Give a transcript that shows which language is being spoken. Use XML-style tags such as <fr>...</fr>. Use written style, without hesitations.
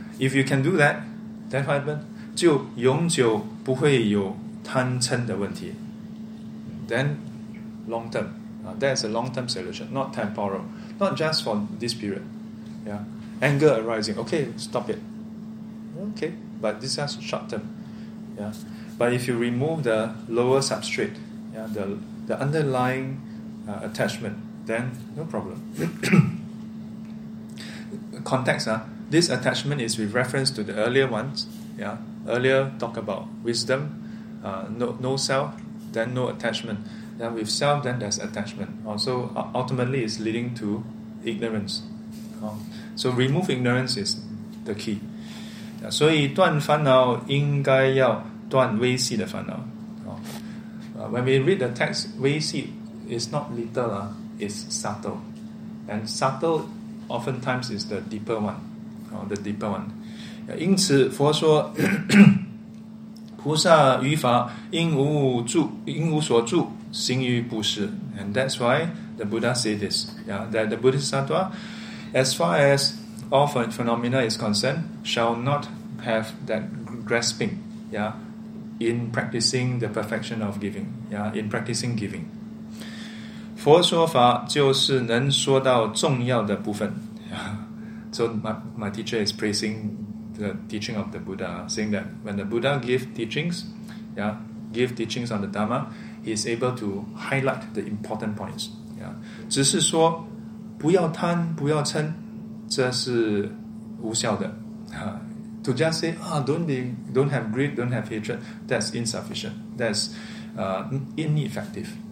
<en>If you can do that, then what happens?</en> <zh>就永久不会有贪嗔的问题。</zh> <en>Then long term. That's a long term solution, not temporal. Not just for this period. Yeah. Anger arising. Okay, stop it. Okay, but this is short term. Yeah. But if you remove the lower substrate, yeah, the underlying attachment, then no problem. Context, this attachment is with reference to the earlier ones. Yeah, earlier talk about wisdom, no self, then no attachment. Then with self, then there's attachment. Also, ultimately, it's leading to ignorance. So remove ignorance is the key. Yeah,</en> <zh>所以断烦恼应该要断微细的烦恼。</zh> <en>When we read the text, 微细 is not little, it's subtle. And subtle oftentimes is the deeper one. The deeper one.</en> <zh>因此佛说菩萨于法应无所住行于布施。</zh> <en>And that's why the Buddha said this, that the Bodhisattva, as far as all phenomena is concerned, shall not have that grasping, in practicing the perfection of giving, in practicing giving.</en> <zh>佛说法就是能说到重要的部分。</zh> <en>So my teacher is praising the teaching of the Buddha, saying that when the Buddha give teachings on the Dharma, he is able to highlight the important points. Yeah.</en> <zh>只是说不要贪不要嗔，这是无效的。</zh> <en>To just say, don't have greed, don't have hatred, that's insufficient. That's ineffective.</en>